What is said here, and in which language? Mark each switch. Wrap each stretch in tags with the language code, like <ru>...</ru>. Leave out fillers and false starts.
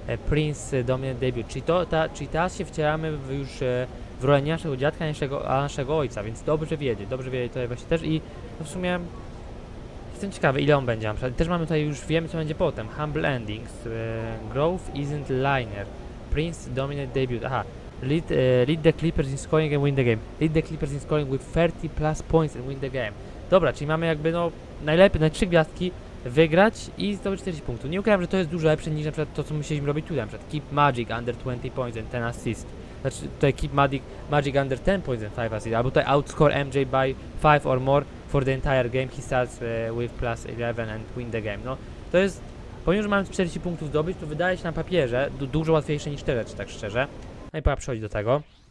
<pl>Prince Dominant Debut, czyli teraz się wcielamy już w rolę nie naszego dziadka, naszego ojca, więc dobrze wiedzieć to właśnie też. I no w sumie jestem ciekawy, ile on będzie. Też mamy tutaj, już wiemy, co będzie potem.</pl> <en>Humble Endings, Growth Isn't Linear, Prince Dominant Debut. Aha, lead the Clippers in scoring and win the game. Lead the Clippers in scoring with 30 plus points and win the game.</en> <pl>Dobra, czyli mamy jakby no najlepiej, na 3 gwiazdki wygrać i zdobyć 40 punktów. Nie ukrywam, że to jest dużo lepsze niż na przykład to, co musieliśmy robić tutaj. Na przykład</pl> <en>Keep Magic under 20 points and 10 assists.</en> <pl>Znaczy tutaj</pl> <en>Keep Magic under 10 points and 5 assists.</en> <pl>Albo tutaj</pl> <en>Outscore MJ by 5 or more for the entire game, he starts with plus 11 and win the game.</en> <pl>No, to jest, pomimo że mamy 40 punktów zdobyć, to wydaje się na papierze dużo łatwiejsze niż te rzeczy, tak szczerze. No i pora przechodzić do tego.</pl>